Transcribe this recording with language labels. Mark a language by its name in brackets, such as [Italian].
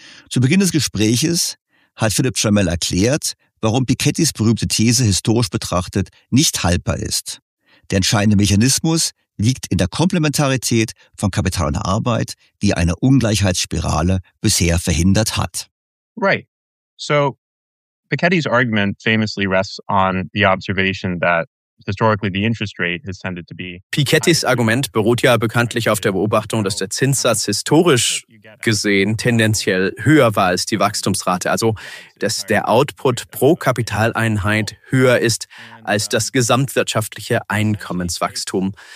[German] Zu Beginn des Gespräches hat Philipp Tramell erklärt, warum Pikettys berühmte These historisch betrachtet nicht haltbar ist. Der entscheidende Mechanismus liegt in der Komplementarität von Kapital und Arbeit, die eine Ungleichheitsspirale bisher verhindert hat. [English] Right. So Piketty's argument famously rests on the observation that historically the interest rate has tended to be. [German] Pikettys Argument beruht ja bekanntlich auf der Beobachtung, dass der Zinssatz historisch gesehen tendenziell höher war als die Wachstumsrate. Also, dass der Output pro Kapitaleinheit höher ist als das gesamtwirtschaftliche Einkommenswachstum.